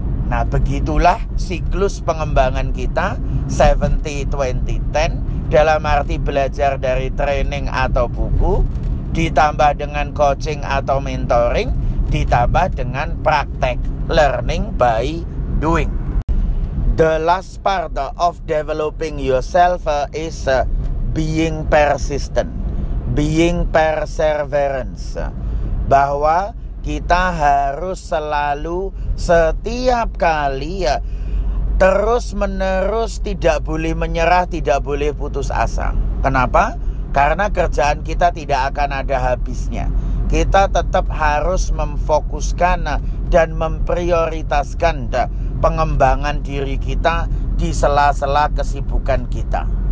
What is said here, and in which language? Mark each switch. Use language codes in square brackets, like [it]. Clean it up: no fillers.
[id] Nah, begitulah siklus pengembangan kita 70-20-10. Dalam arti belajar dari training atau buku, ditambah dengan coaching atau mentoring, ditambah dengan praktek, [en] learning by doing. The last part of developing yourself is being persistent, being perseverance. [id] Bahwa kita harus selalu setiap kali terus menerus tidak boleh menyerah, tidak boleh putus asa. Kenapa? Karena kerjaan kita tidak akan ada habisnya. Kita tetap harus memfokuskan dan memprioritaskan pengembangan diri kita di sela-sela kesibukan kita.